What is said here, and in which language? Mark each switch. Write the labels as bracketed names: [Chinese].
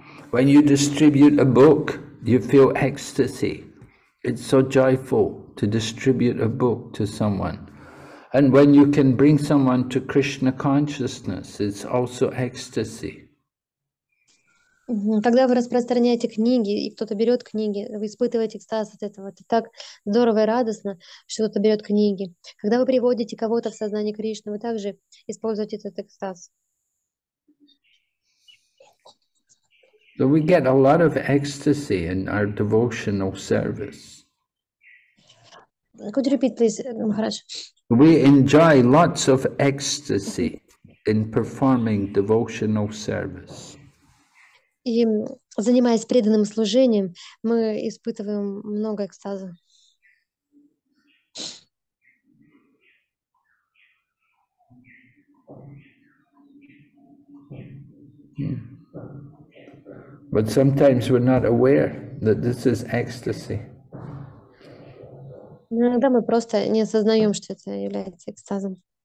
[English] When you distribute a book, you feel ecstasy. It's so joyful to distribute a book to someone. And when you can bring someone to Krishna consciousness, it's also ecstasy. [Russian] Когда вы распространяете книги, и кто-то берет книги, вы испытываете экстаз от этого. Это так здорово и радостно, что кто-то берет книги. Когда вы приводите кого-то в сознание Кришны, вы также используете этот экстаз. [English] So we get a lot of ecstasy in our devotional service. Could you repeat, please, Maharaj? We enjoy lots of ecstasy in performing devotional service. [Russian] И занимаясь преданным служением, мы испытываем много экстаза. [English] But sometimes we're not aware that this is ecstasy. [Russian] Иногда мы просто не осознаем, что это является экстазом.